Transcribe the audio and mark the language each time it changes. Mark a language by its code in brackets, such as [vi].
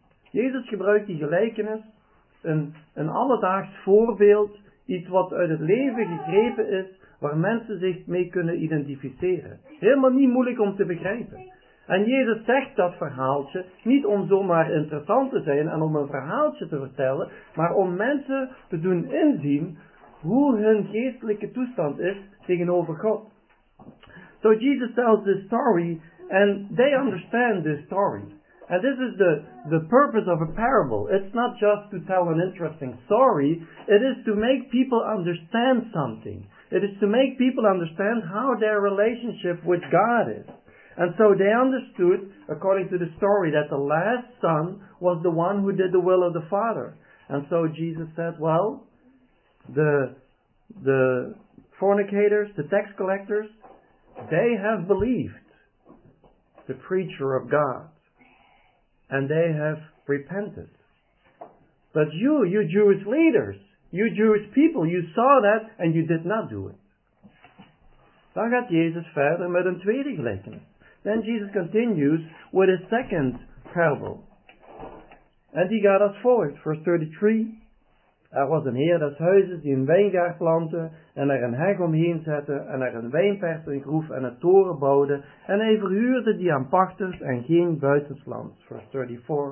[nl] Jezus gebruikt die gelijkenis, een alledaags voorbeeld, iets wat uit het leven gegrepen is, waar mensen zich mee kunnen identificeren. Helemaal niet moeilijk om te begrijpen. En Jezus zegt dat verhaaltje niet om zomaar interessant te zijn en om een verhaaltje te vertellen, maar om mensen te doen inzien hoe hun geestelijke toestand is tegenover God. [en] So Jesus tells this story and they understand this story. And this is the purpose of a parable. It's not just to tell an interesting story. It is to make people understand something. It is to make people understand how their relationship with God is. And so they understood, according to the story, that the last son was the one who did the will of the father. And so Jesus said, well, the fornicators, the tax collectors, they have believed the preacher of God. And they have repented. But you Jewish leaders, you Jewish people, you saw that and you did not do it. [nl] Dan gaat Jezus verder met een tweede gelijkenis. [en] Then Jesus continues with a second parable. And he got us forward. [nl] Verse 33. Er was een heer des huizes die een wijngaard plantte en er een heg omheen zette en er een wijnpers in groef en een toren bouwde en hij verhuurde die aan pachters en ging buitenslands. Verse 34.